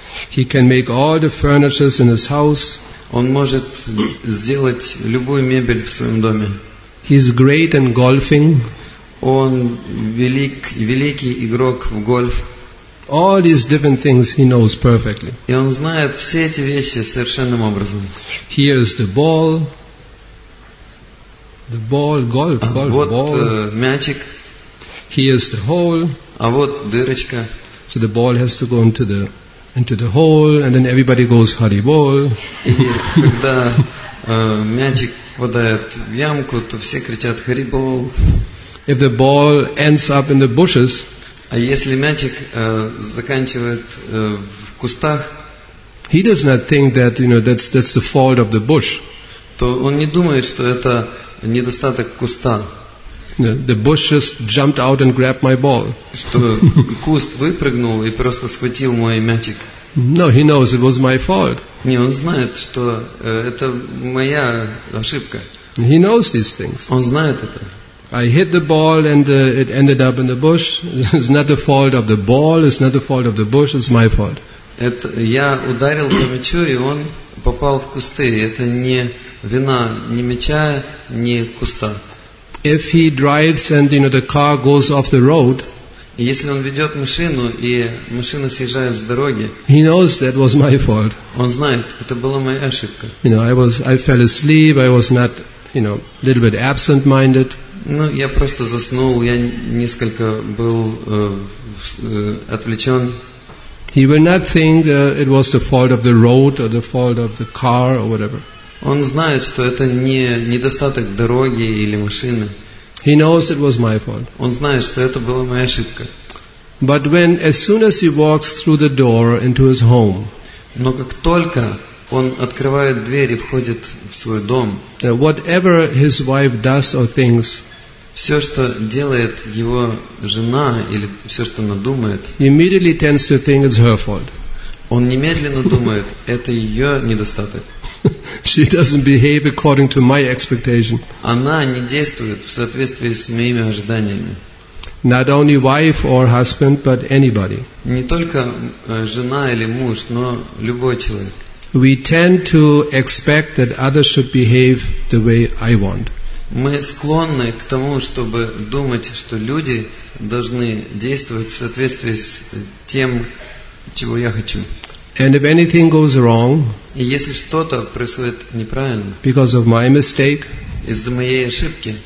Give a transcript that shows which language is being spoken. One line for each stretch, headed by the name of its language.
English: He can make all the furnitures in his house.
Russian: Он может сделать любую мебель в своем доме.
English: He's great in golfing.
Russian: Он великий игрок в гольф.
English: All these different things he knows perfectly.
Russian: И он знает все эти вещи совершенным образом.
English: Here's the ball, golf
Russian: вот
English: ball.
Russian: Мячик.
English: Here's the hole.
Russian: А вот дырочка.
English: So the ball has to go into the hole, and then everybody goes hari bol.
Russian: И когда мячик попадает в ямку, то все кричат hari bol.
English: If the ball ends up in the bushes.
Russian: А если мячик заканчивает в кустах.
English: He does not think that, you know, that's the fault of the bush.
Russian: То он не думает, что это недостаток куста.
English: The bush just jumped out and grabbed my ball.
Russian: Что куст выпрыгнул и просто схватил мой мячик.
English: No, he knows it was my fault.
Russian: Не, он знает, что это моя ошибка.
English: He knows these things.
Russian: Он знает это.
English: I hit the ball and it ended up in the bush. It's not the fault of the ball. It's not the fault of the bush. It's my fault.
Russian: Это я ударил по мячу и он попал в кусты. Это не вина ни мяча, ни куста.
English: If he drives and the car goes off the road.
Russian: Если он ведет машину и машина съезжает с дороги.
English: He knows that was my fault.
Russian: Он знает, это была моя ошибка.
English: I fell asleep. I was not, a little bit absent-minded.
Russian: Ну, я просто заснул. Я несколько был отвлечен.
English: He will not think it was the fault of the road or the fault of the car or whatever.
Russian: Он знает, что это не недостаток дороги или машины.
English: He knows it was my fault.
Russian: Он знает, что это была моя ошибка.
English: But when, as soon as he walks through the door into his home,
Russian: но как только он открывает дверь и входит в свой дом,
English: whatever his wife does or thinks,
Russian: все, что делает его жена или все, что она думает,
English: immediately tends to think it's her fault.
Russian: Он немедленно думает, это ее недостаток.
English: She doesn't behave according to my expectation.
Russian: Она не действует в соответствии с моими ожиданиями.
English: Not only wife or husband, but anybody.
Russian: Не только жена или муж, но любой человек.
English: We tend to expect that others should behave the way I want.
Russian: Мы склонны к тому, чтобы думать, что люди должны действовать в соответствии с тем, чего я хочу.
English: And if anything goes wrong,
Russian: и если что-то происходит неправильно,
English: because of my mistake,
Russian: из-за моей ошибки,